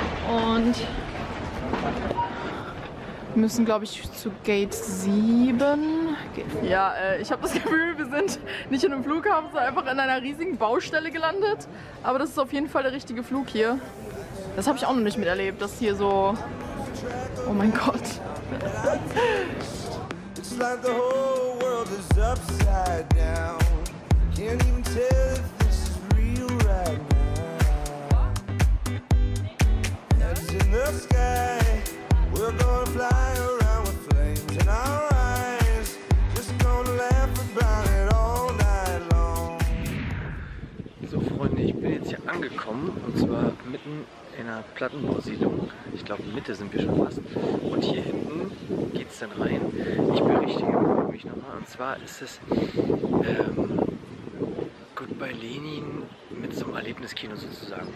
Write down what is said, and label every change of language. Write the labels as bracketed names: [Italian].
[German] Und wir müssen, glaube ich, zu Gate 7. Ja, ich habe das Gefühl, wir sind nicht in einem Flughafen, sondern einfach in einer riesigen Baustelle gelandet. Aber das ist auf jeden Fall der richtige Flug hier. Das habe ich auch noch nicht miterlebt, dass hier so... Oh mein Gott. [English] It's like the whole world is upside down. Can't even tell if this is real right now. Heads in the sky, we're gonna fly around with flames in our eyes. Just gonna laugh about it all night long. [German] So Freunde, ich bin jetzt hier angekommen und zwar mitten in einer Plattenbausiedlung. Ich glaube, Mitte sind wir schon fast. Und hier hinten geht es dann rein. Ich berichtige mich nochmal. Und zwar ist es Goodbye Lenin mit so einem Erlebniskino sozusagen.